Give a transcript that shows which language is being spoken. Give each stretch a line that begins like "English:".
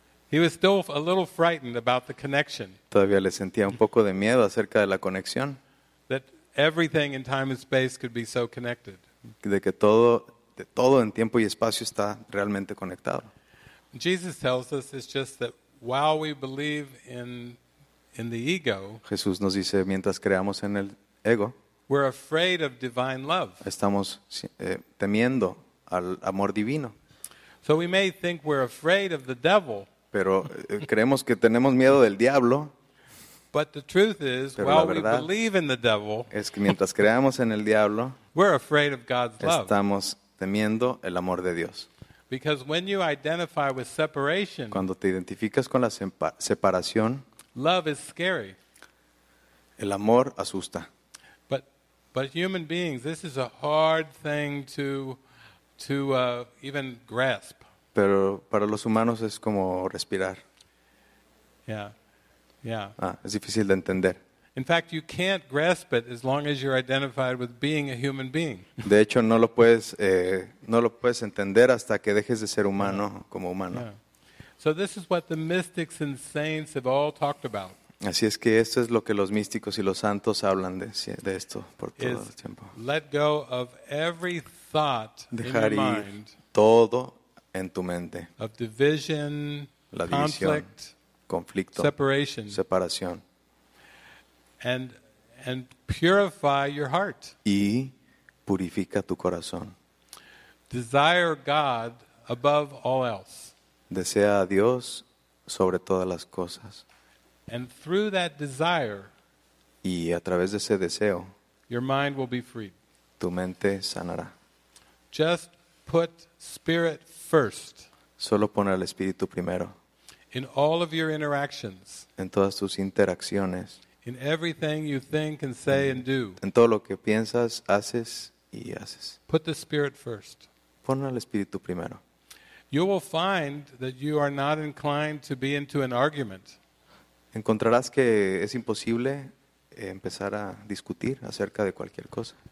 English: He was still a little frightened about the connection.
Spanish: Todavía le sentía un poco de miedo acerca de la conexión.
English: That everything in time and space could be so connected.
Spanish: De que todo, en tiempo y espacio está realmente conectado.
English: Jesus tells us it's just that while we believe in the ego,
Spanish: Jesús nos dice mientras creamos en el ego,
English: we're afraid of divine love.
Spanish: Estamos temiendo al amor divino.
English: So we may think we're afraid of the devil.
Spanish: Pero creemos que tenemos miedo del diablo.
English: But the truth is, while we believe in the devil,
Spanish: es que mientras creamos en el diablo,
English: we're afraid of God's love.
Spanish: Estamos temiendo el amor de Dios.
English: Because when you identify with separation,
Spanish: cuando te identificas con la separación,
English: love is scary.
Spanish: El amor asusta.
English: But human beings, this is a hard thing to even grasp.
Spanish: Pero para los humanos es como respirar. Yeah. Yeah. Es difícil de entender.
English: In fact, you can't grasp it as long as you're identified with being a human being.
Spanish: De hecho, no lo puedes entender hasta que dejes de ser humano como humano. Yeah.
English: So this is what the mystics and saints have all talked about.
Spanish: Así es que esto es lo que los místicos y los santos hablan de esto por todo el tiempo.
English: Let go of every thought
Spanish: dejar
English: in your mind.
Spanish: Todo en tu mente.
English: Of division,
Spanish: la división,
English: conflict,
Spanish: conflicto,
English: separation,
Spanish: separación.
English: And purify your heart.
Spanish: Y purifica tu corazón.
English: Desire God above all else.
Spanish: Desea a Dios sobre todas las cosas.
English: And through that desire,
Spanish: y a través de ese deseo,
English: your mind will be freed.
Spanish: Tu mente sanará.
English: Just put spirit first.
Spanish: Solo pon al espíritu primero.
English: In all of your interactions.
Spanish: En todas tus interacciones.
English: In everything you think and say and do.
Spanish: En todo lo que piensas, haces y haces.
English: Put the spirit first.
Spanish: Pon al espíritu primero.
English: You will find that you are not inclined to be into an argument.
Spanish: Encontrarás que es imposible empezar a discutir acerca de cualquier cosa.